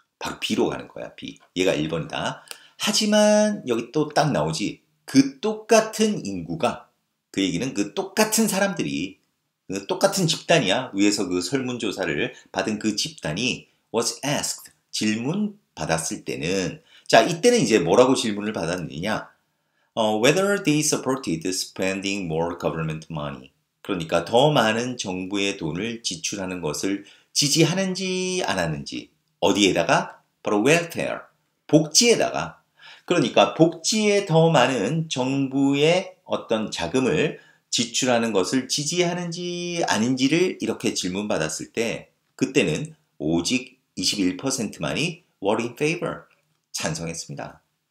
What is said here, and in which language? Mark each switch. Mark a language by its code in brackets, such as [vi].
[ko] 바로 B로 가는 거야, B. 얘가 1번이다. 하지만 여기 또 딱 나오지. 그 똑같은 인구가, 그 얘기는 그 똑같은 사람들이, 그 똑같은 집단이야. 위에서 그 설문조사를 받은 그 집단이 [en] was asked, [ko] 질문 받았을 때는, 자, 이때는 이제 뭐라고 질문을 받았느냐. [en] Whether they supported spending more government money. [ko] 그러니까 더 많은 정부의 돈을 지출하는 것을 지지하는지 안 하는지. 어디에다가? 바로 welfare, 복지에다가. 그러니까 복지에 더 많은 정부의 어떤 자금을 지출하는 것을 지지하는지 아닌지를 이렇게 질문받았을 때 그때는 오직 21%만이 [en] were in favor, [ko] 찬성했습니다.